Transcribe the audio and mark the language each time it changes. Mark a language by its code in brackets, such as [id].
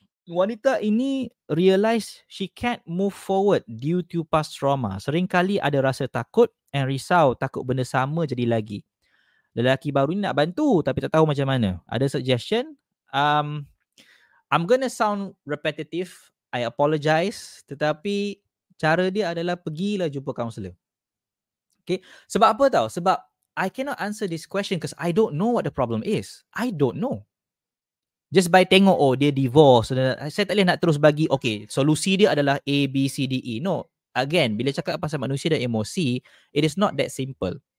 [ms] Wanita ini [en] realise she can't move forward due to past trauma. [ms] Seringkali ada rasa takut and risau, takut benda sama jadi lagi. Lelaki baru ni nak bantu tapi tak tahu macam mana. Ada suggestion? [en] I'm gonna sound repetitive. I apologize. [ms] Tetapi cara dia adalah pergilah jumpa kaunselor. Okay. Sebab apa tau? [en] Sebab I cannot answer this question because I don't know what the problem is. I don't know. [ms] Just by tengok, oh, dia divorce. Saya tak boleh nak terus bagi, okay, solusi dia adalah A, B, C, D, E. No. Again, bila cakap pasal manusia dan emosi, [en] it is not that simple.